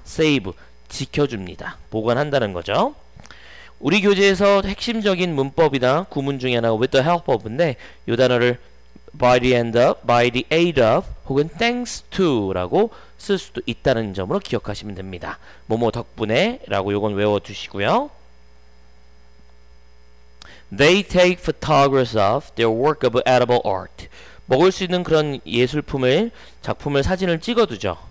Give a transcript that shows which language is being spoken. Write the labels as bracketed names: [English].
[Korean] save 지켜줍니다. 보관한다는 거죠. 우리 교재에서 핵심적인 문법이나 구문 중에 하나가 [English] with the help of [Korean] 인데 이 단어를 by the end of, by the aid of 혹은 thanks to 라고 쓸 수도 있다는 점으로 기억하시면 됩니다. 뭐뭐 덕분에 라고 이건 외워두시고요. [English] They take photographs of their work of edible art. [Korean] 먹을 수 있는 그런 예술품을 작품을 사진을 찍어두죠.